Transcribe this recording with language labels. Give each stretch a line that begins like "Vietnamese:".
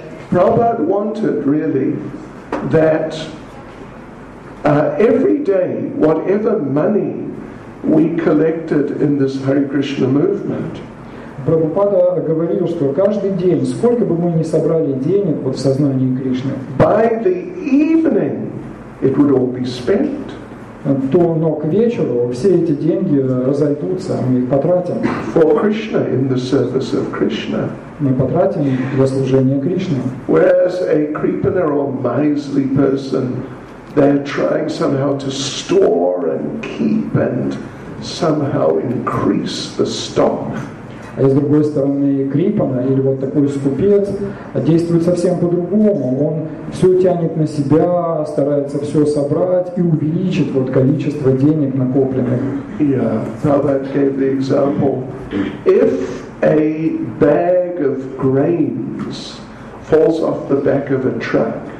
English: Prabhupada wanted really that every day, whatever money we collected in this Hare Krishna movement.
Russian: Прабхупада говорил, что каждый день, сколько бы мы ни собрали денег вот в сознании Кришны,
English: by the evening it would all be spent.
Russian: Но к вечеру все эти деньги разойдутся, мы их потратим.
English: For Krishna, in the service of Krishna.
Russian: Мы потратим для служения Кришне.
English: Whereas a kripana or miserly person, they're trying somehow to store and keep and somehow increase the stock.
Russian: А с другой стороны, Крипана, или вот такой скупец, действует совсем по-другому. Он все тянет на себя, старается все собрать и увеличит вот количество денег накопленных.
English: Yeah, Prabhupada gave the example. If a bag of grains falls off the back of a truck.